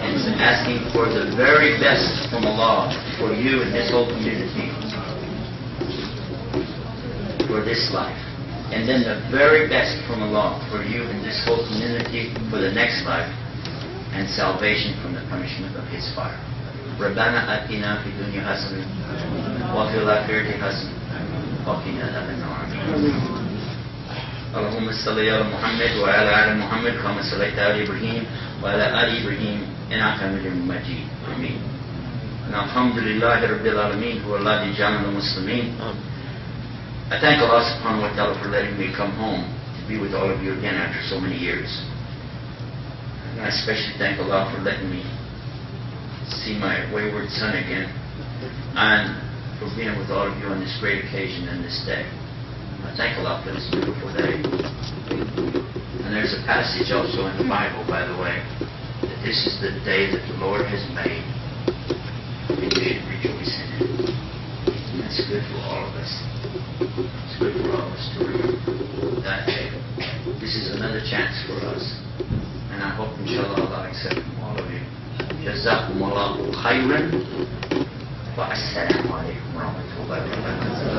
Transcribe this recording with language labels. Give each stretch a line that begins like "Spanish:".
English: And it's asking for the very best from Allah for you and this whole community. For this life. And then the very best from Allah for you and this whole community for the next life. And salvation from the punishment of His fire.
Arabic: ربنا آتنا في الدنيا حسنة وفي الآخرة حسنة وقنا عذاب النار. اللهم صل على محمد وعلى آل محمد كما صليت على إبراهيم وعلى آل إبراهيم إنك حميد مجيد. آمين. الحمد لله رب العالمين هو الذي جعل المسلمين.
English: I thank Allah subhanahu wa ta'ala for letting me come home to be with all of you again after so many years. And I especially thank Allah for letting me see my wayward son again and for being with all of you on this great occasion and this day. I thank Allah for this beautiful day. And there's a passage also in the Bible, by the way, that this is the day that the Lord has made. We should rejoice in it. It's good for all of us. It's good for all of us to remember that day. This is another chance for us. And I hope, inshallah, Allah accepts from all of you.
Arabic: جزاكم الله خيرا والسلام عليكم ورحمة الله وبركاته.